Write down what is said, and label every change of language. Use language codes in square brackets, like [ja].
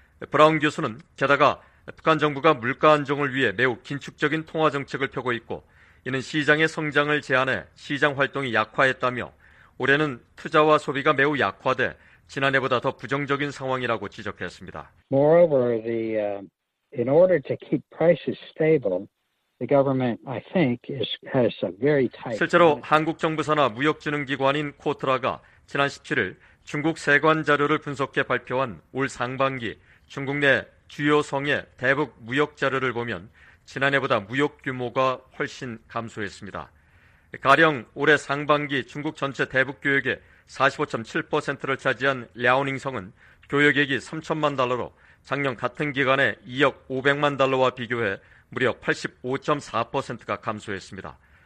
[ko] 브라운 교수는 게다가 북한 정부가 물가 안정을 위해 매우 긴축적인 통화 정책을 펴고 있고 이는 시장의 성장을 제한해 시장 활동이 약화했다며 올해는 투자와 소비가 매우 약화돼 지난해보다 더 부정적인 상황이라고 지적했습니다. [en] Moreover, in order to keep prices stable, the government, I think, has a very tight. [ko] 실제로 한국 정부 산하 무역지능기관인 코트라가 지난 17일 중국 세관 자료를 분석해 발표한 올 상반기 중국 내 주요 성의 대북 무역 자료를 보면 지난해보다 무역 규모가 훨씬 감소했습니다. 가령 올해 상반기 중국 전체 대북 교역의 45.7%를 차지한 랴오닝성은 교역액이 3천만 달러로 작년 같은 기간에 2억 500만 달러와 비교해 무려 85.4%가 감소했습니다.